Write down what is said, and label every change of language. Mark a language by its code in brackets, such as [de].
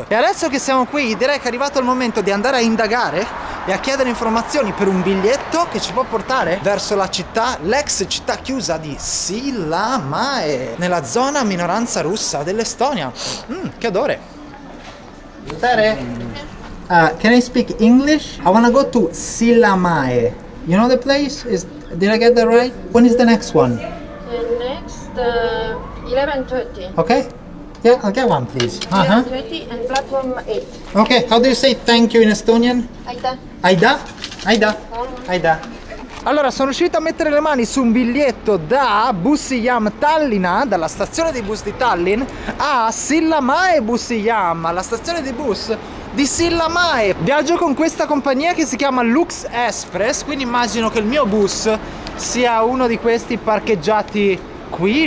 [it] E adesso che siamo qui, direi che è arrivato il momento di andare a indagare e a chiedere informazioni per un biglietto che ci può portare verso la città, l'ex città chiusa di Sillamäe, nella zona minoranza russa dell'Estonia. Che odore. [en] Tere. Can I speak English? I want to go to Sillamäe. You know the place? Did I get that right? When is the next one? The next 11:30. Okay. Yeah, I'll get one, please. Uh-huh. 11:30 and platform 8. Okay, how do you say thank you in Estonian? Aida. Aida? Aida. [it] Allora, sono riuscito a mettere le mani su un biglietto da Bussijam Tallinna, dalla stazione di bus di Tallinn, a Sillamäe Bussijam, alla stazione di bus di Sillamäe. Viaggio con questa compagnia che si chiama Lux Express, quindi immagino che il mio bus sia uno di questi parcheggiati qui.